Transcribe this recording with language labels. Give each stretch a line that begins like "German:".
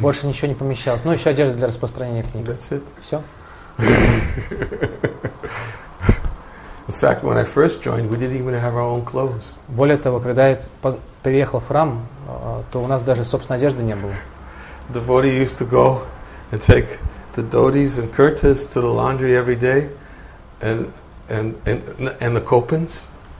Russian: Больше ничего не помещалось. Ну, еще одежда для распространения книг.
English: That's it.
Russian: Все.
English: In fact, when I first joined, we didn't even have our own clothes.
Russian: Более того, когда я переехал в храм, то у нас даже собственной одежды не было.
English: The devotee used to go and take the dhotis and kurtas to the laundry every day, and the kopins.